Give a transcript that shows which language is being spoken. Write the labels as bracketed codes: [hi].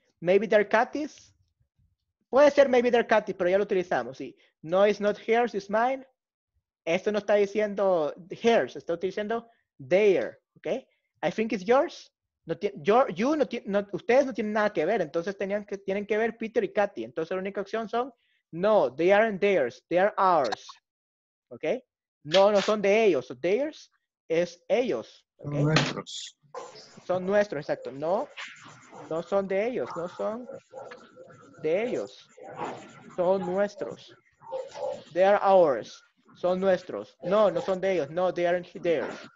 [en] Maybe they're Katy's. [es] Puede ser [en] maybe they're Katy, [es] pero ya lo utilizamos, sí. [en] No, it's not hers, it's mine. [es] Esto no está diciendo hers, está diciendo [en] there, okay? I think it's yours. [es] Ustedes no tienen nada que ver, entonces tienen que ver Peter y Katy. Entonces la única opción son, [en] no, they aren't theirs, they are ours, okay? [es] No, no son de ellos, so theirs es ellos, okay? Nuestros. Son nuestros, exacto. No, no son de ellos, no son de ellos, son nuestros. [en] They are ours, [es] son nuestros. No, no son de ellos, no, [en] they aren't theirs.